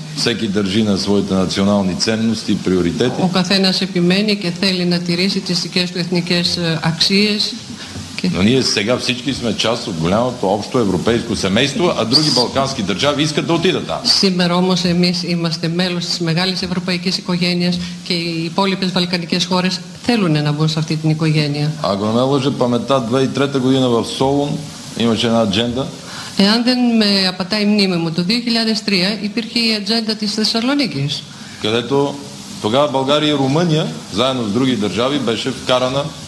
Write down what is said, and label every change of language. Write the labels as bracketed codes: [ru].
[bg] Всеки държи на своите национални ценности и приоритети. [el] Ο καθένας επιμένει και θέλει να τηρήσει τις δικές του εθνικές αξίες. [bg] Но ние сега всички сме част от голямото общо европейско семейство, а други балкански държави искат да отидат там. Сега [el] όμως εμείς είμαστε μέλος της μεγάλης ευρωπαϊκής οικογένειας και οι υπόλοιπες βαλκανικές χώρες θέλουν να μπουν σε αυτή την οικογένεια. [bg] Ако не лъжа паметта, 2003 година в Солун имаше една адженда. [el] Εάν δεν με απατάει η μνήμη μου, το 2003 υπήρχε η ατζέντα της Θεσσαλονίκης. [bg] Където тогава България и Румъния, заедно с други държави, беше вкарана